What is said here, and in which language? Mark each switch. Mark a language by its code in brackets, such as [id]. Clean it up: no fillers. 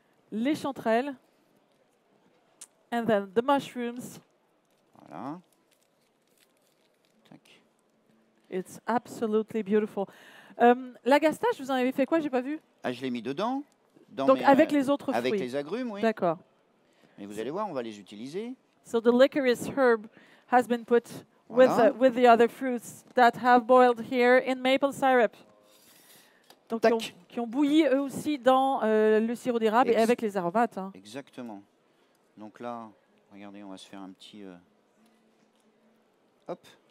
[en] Les chanterelles, and then the mushrooms. [fr] Voilà. [en] It's absolutely beautiful. [fr] L'agastache, vous en avez fait quoi? J'ai pas vu. Ah, je l'ai mis dedans. Avec les autres fruits. Avec les agrumes, oui. D'accord. Mais vous allez voir, on va les utiliser. [en] So the licorice herb has been put with the other fruits that have boiled here in maple syrup. [fr] Donc, qui ont bouilli eux aussi dans le sirop d'érable et avec les aromates. Hein. Exactement. Donc là, regardez, on va se faire un petit. Hop.